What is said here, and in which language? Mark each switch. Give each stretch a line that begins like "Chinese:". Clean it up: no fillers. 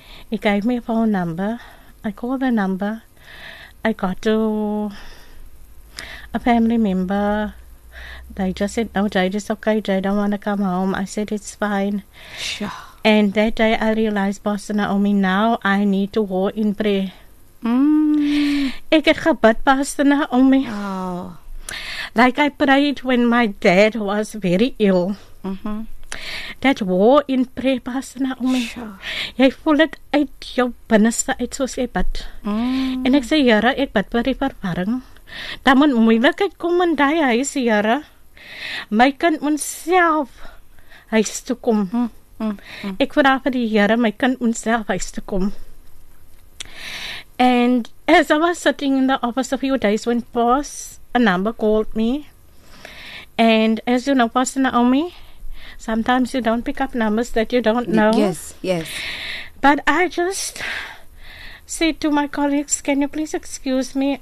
English: He gave me a phone number. I called the number. I got to a family member. They just said, no, Jade, it's okay. Jade, I don't want to come home. I said, it's fine. Sure. And that day I realized, Pastor Naomi, now I need to go in prayer.
Afrikaans: Ek het gebid, Pastor Naomi.
English: Like I prayed when my dad was very ill. That war in prayer, Pastor Naomi. Sure.
Afrikaans: Jy voel het uit jou binneste uit soos jy bid. En ek sê, Here, ek bid vir die verwarring. Daar moet moeilikheid kom in die huis, Here. My kind moet self huis toe kom. Ek vra vir die Here, my kind moet self huis toe kom.
English: And as I was sitting in the office a few days when boss, a number called me. And as you know, Pastor Naomi, sometimes you don't pick up numbers that you don't know. Yes, yes. But I just said to my colleagues, can you please excuse me?